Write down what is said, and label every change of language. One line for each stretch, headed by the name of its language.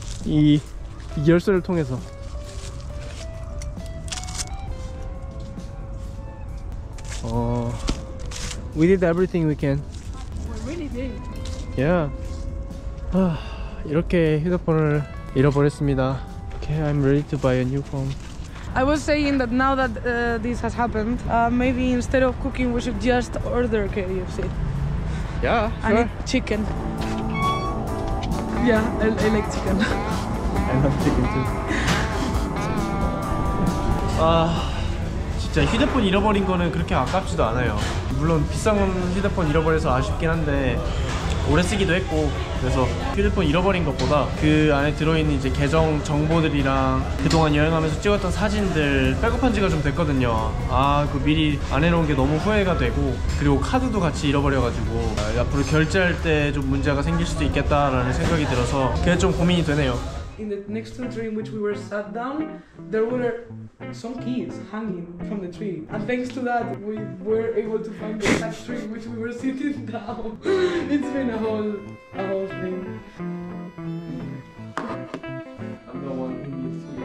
Korean: 이 열쇠를 통해서.
English: We did everything we can. We really did. Yeah.
Korean: 이렇게 휴대폰을 잃어버렸습니다.
English: Okay, I'm ready to buy a new phone. I was saying that now that this has happened, maybe instead of cooking, we should just order KFC. Yeah, sure. I need chicken. Yeah, I like chicken. I love chicken too.
Korean: 진짜 휴대폰 잃어버린 거는 그렇게 아깝지도 않아요. 물론 비싼 휴대폰 잃어버려서 아쉽긴 한데 오래 쓰기도 했고, 그래서 휴대폰 잃어버린 것보다 그 안에 들어있는 이제 계정 정보들이랑 그동안 여행하면서 찍었던 사진들 백업한 지가 좀 됐거든요. 아, 그 미리 안 해놓은 게 너무 후회가 되고, 그리고 카드도 같이 잃어버려가지고 앞으로 결제할 때 좀 문제가 생길 수도 있겠다라는 생각이 들어서 그게 좀 고민이 되네요.
English: In the next to the tree in which we were sat down, there were some keys hanging from the tree. And thanks to that, we were able to find the exact tree in which we were sitting down. It's been a whole thing. I'm the one who needs to.